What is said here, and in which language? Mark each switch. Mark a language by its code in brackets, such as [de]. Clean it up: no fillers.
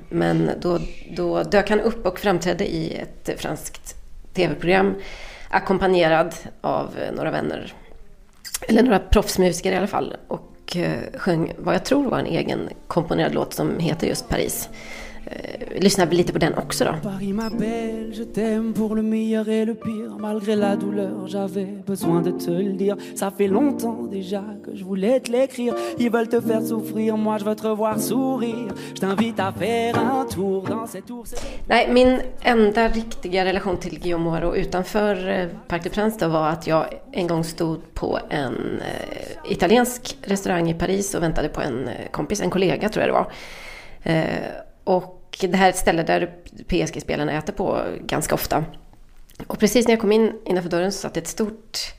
[sv] Men då dök han upp och framträdde i ett franskt tv-program ackompanjerad av några vänner, eller några proffsmusiker i alla fall, och sjöng vad jag tror var en egen komponerad låt som heter just Paris. Lyssnar vi lite på den också då. [fr] Paris ma belle, je t'aime pour le meilleur et le pire. Malgré la douleur, j'avais besoin de te le dire. Ça fait longtemps déjà que je voulais te l'écrire. Ils veulent te faire souffrir, moi je veux te voir sourire. Je t'invite à faire un tour dans cette tour. [sv] Nej, min enda riktiga relation till Guillaume Hoareau utanför Parc des Princes då var att jag en gång stod på en italiensk restaurang i Paris och väntade på en kompis, en kollega tror jag det var. Och det här är ett ställe där PSG-spelarna äter på ganska ofta. Och precis när jag kom in innanför dörren så satt ett stort